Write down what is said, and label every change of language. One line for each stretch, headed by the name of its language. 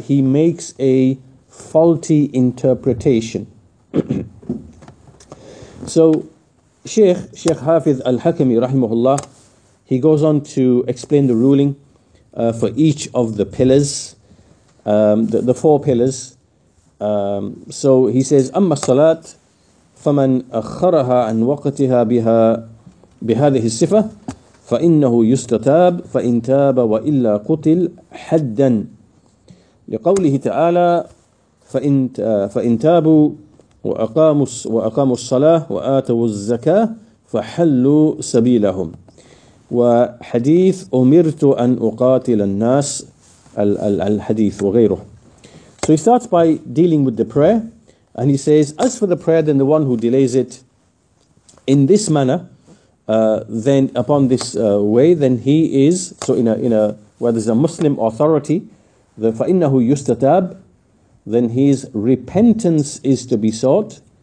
English: He makes a faulty interpretation. So Sheikh Hafiz Al-Hakimi rahimahullah, he goes on to explain the ruling for each of the pillars, the four pillars. So he says,
Arabic: أما الصلاة فمن أخرها عن وقتها بها بهذه الصفة فإنه يستتاب فإن تاب وإلا قتل حدا لقوله تعالى فإن تابوا وأقاموا الصلاة وآتوا الزكاة فحلوا سبيلهم وحديث أمرت أن أقاتل الناس الحديث وغيره.
English: So he starts by dealing with the prayer, and he says, as for the prayer, then the one who delays it in this manner, then upon this way, then he is, so in a where there's a Muslim authority, the
Arabic: فَإِنَّهُ يُسْتَتَاب,
English: then his repentance is to be sought.